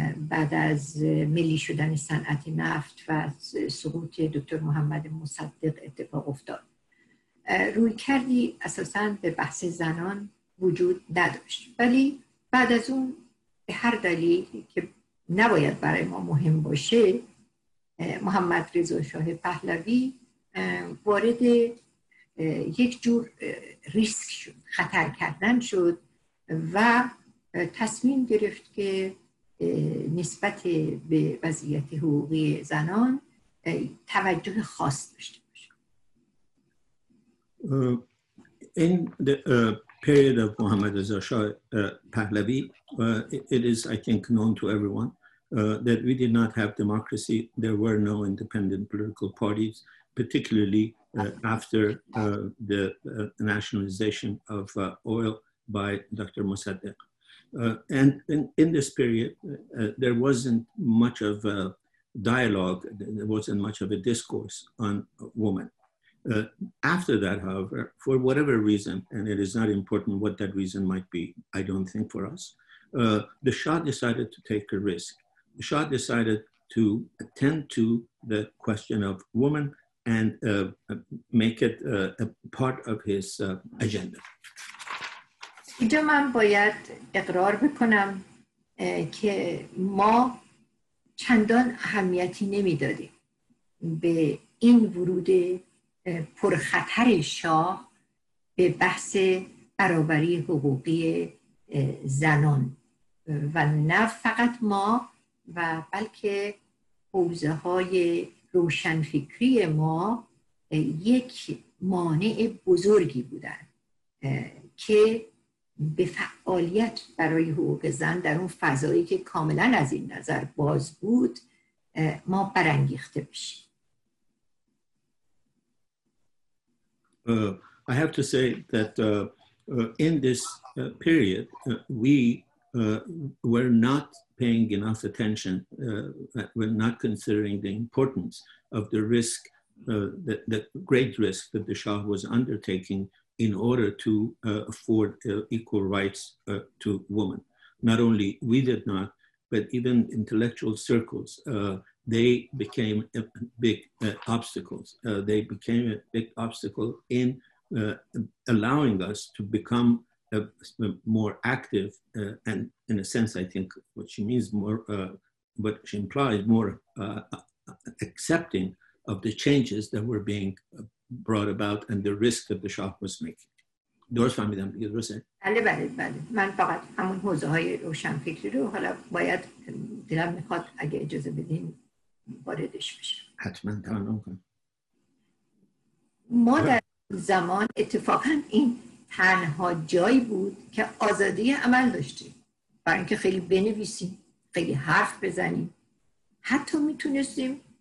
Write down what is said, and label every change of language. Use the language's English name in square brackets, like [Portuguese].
[Persian] بعد از ملی شدن صنعت نفت و سقوط دکتر محمد مصدق اتفاق افتاد روی کردی اساساً به بحث زنان وجود نداشت ولی بعد از اون به هر دلیلی که نباید برای ما مهم باشه محمد رضا شاه پهلوی وارد یک جور ریسک شد خطر کردن شد و تصمیم گرفت که نسبت به وضعیت حقوقی زنان توجه خاص داشته [English] In the period of Mohammad Reza Shah Pahlavi, it is, I think, known to everyone that we did not have democracy. There were no independent political parties, particularly after the nationalization of oil by Dr. Mossadegh. And in this period, there wasn't much of a dialogue, there wasn't much of a discourse on women. After that, however, for whatever reason, and it is not important what that reason might be, I don't think for us, the Shah decided to take a risk. The Shah decided to attend to the question of women and make it a part of his agenda. [Persian] اینجا من باید اقرار بکنم که ما چندان اهمیتی نمیدادیم به این ورود پرخطر شاه به بحث برابری حقوقی زنان و نه فقط ما و بلکه حوزه های روشنفکری ما یک مانع بزرگی بودند که به فعالیت برای حقوق زن در اون فضایی که کاملا از این نظر باز بود ما برانگیخته بشیم [English] I have to say that in this period, we were not paying enough attention, we're not considering the importance of the risk, the great risk that the Shah was undertaking in order to afford equal rights to women. Not only we did not, but even intellectual circles, they became a big obstacles. They became a big obstacle in allowing us to become more active, and in a sense, I think what she means more, what she implies, more accepting of the changes that were being brought about and the risk that the Shah was making. [Persian] درست فهمیدم دیگه درسته؟ بله بله بله من فقط همون حوزه های روشن فکری رو حالا باید دلم میخواد اگه اجازه بدین واردش بشم حتما تمام کنم ما در زمان اتفاقا این تنها جایی بود که آزادی عمل داشتیم برای اینکه خیلی بنویسیم خیلی حرف بزنیم حتی میتونستیم